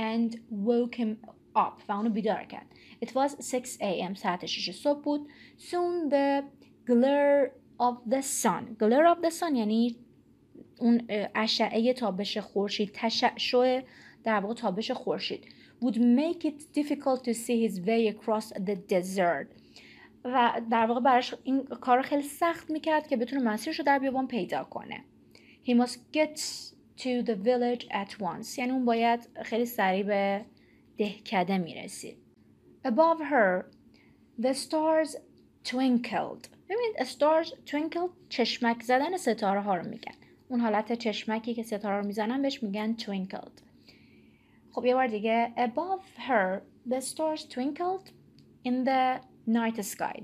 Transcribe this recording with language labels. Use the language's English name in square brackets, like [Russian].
[English] And woke him up، [Persian] و اونو بیدار کرد. [English] It was 6 a.m. [Persian] ساعت 6 صبح بود. [English] Soon the glare of the sun. [Persian] Glare of the sun یعنی اون اشعه تابش خورشید، تشعشع در واقع تابش خورشید. [English] would make it difficult to see his way across the desert. [Persian] و در واقع براش این کار خیلی سخت میکرد که بتونه مسیرش رو در بیابان پیدا کنه. [English] He must get to the village at once. [Persian] یعنی اون باید خیلی سریع به دهکده میرسید. [English] Above her, the stars twinkled. [Persian] ببینید stars twinkled، چشمک زدن ستاره ها رو میگن. اون حالت چشمکی که ستاره رو میزنن بهش میگن twinkled. خب یه بار دیگه. [English] Above her the stars twinkled in the night sky.